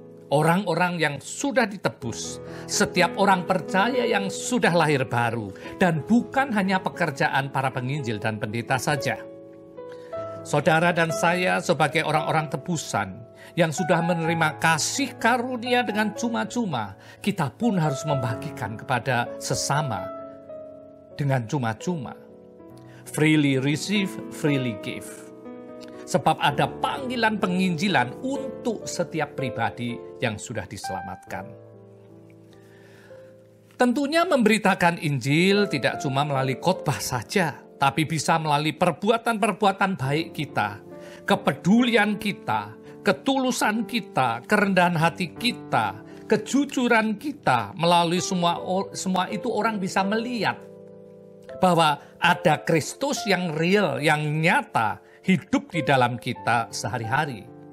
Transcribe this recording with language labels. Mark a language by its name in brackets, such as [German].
[Indonesian] Orang-orang yang sudah ditebus, setiap orang percaya yang sudah lahir baru, dan bukan hanya pekerjaan para penginjil dan pendeta saja. Saudara dan saya sebagai orang-orang tebusan, yang sudah menerima kasih karunia dengan cuma-cuma, kita pun harus membagikan kepada sesama dengan cuma-cuma. [English] Freely receive, freely give. [Indonesian] Sebab ada panggilan penginjilan untuk setiap pribadi yang sudah diselamatkan. Tentunya memberitakan Injil tidak cuma melalui khotbah saja, tapi bisa melalui perbuatan-perbuatan baik kita, kepedulian kita, ketulusan kita, kerendahan hati kita, kejujuran kita, melalui semua itu orang bisa melihat bahwa ada Kristus yang real, yang nyata, hidup di dalam kita sehari-hari.